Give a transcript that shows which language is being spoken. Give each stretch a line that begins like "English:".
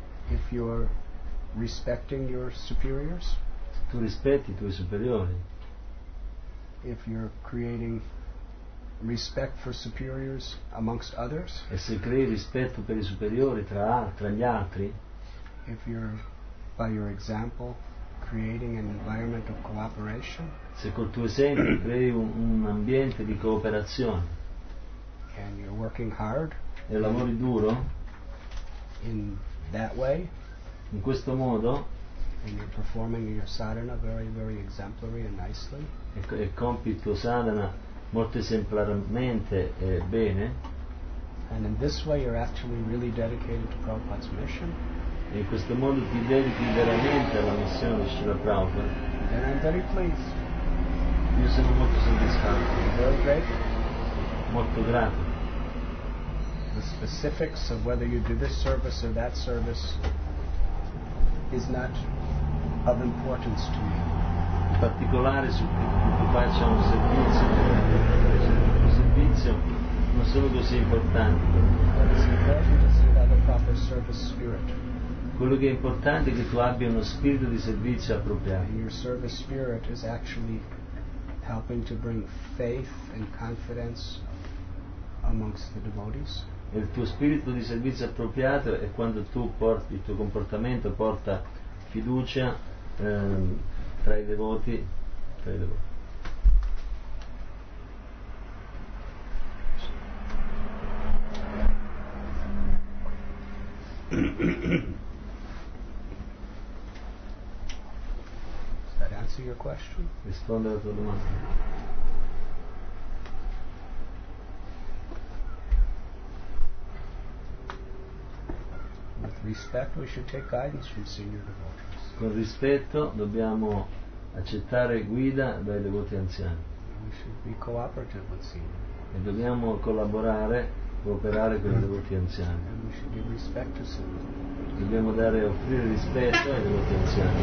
English: If you're respecting your superiors?
Italian: Tu rispetti i tuoi superiori.
English: If you're creating respect for superiors amongst others?
Italian: E se crei rispetto per i superiori tra gli altri?
English: If you're, by your example, creating an environment of cooperation?
Italian: Se col tuo esempio crei un ambiente di cooperazione.
English: And you're working hard?
Italian: E lavori duro?
English: In that way?
Italian: In questo modo,
English: and you're performing your sadhana very, very exemplary and nicely.
Italian: E compi il tuo sadhana molto esemplarmente e bene.
English: And in this way, you're actually really dedicated to Prabhupada's mission.
Italian: E in questo modo ti dedichi veramente alla missione di Srila Prabhupada.
English: Then I'm very pleased.
Italian: Io sono molto soddisfatto.
English: Very great.
Italian: Molto grato.
English: The specifics of whether you do this service or that service is not of importance to me.
Italian: In particolare su cui faccio un servizio non sono così importanti. Quello che è importante è che tu abbia uno spirito di servizio appropriato.
English: Your service spirit is actually helping to bring faith and confidence amongst the devotees.
Italian: E il tuo spirito di servizio appropriato è quando tu porti il tuo comportamento porta fiducia tra i devoti.
English: Does that answer your question?
Italian: Risponde alla tua domanda.
English: With respect, we should take guidance from senior devotees.
Italian: Con rispetto, dobbiamo accettare guida dai devoti anziani.
English: We should be cooperative with senior.
Italian: E dobbiamo collaborare, cooperare con i devoti anziani.
English: And we should give respect to senior.
Italian: Dobbiamo dare e offrire rispetto ai devoti anziani.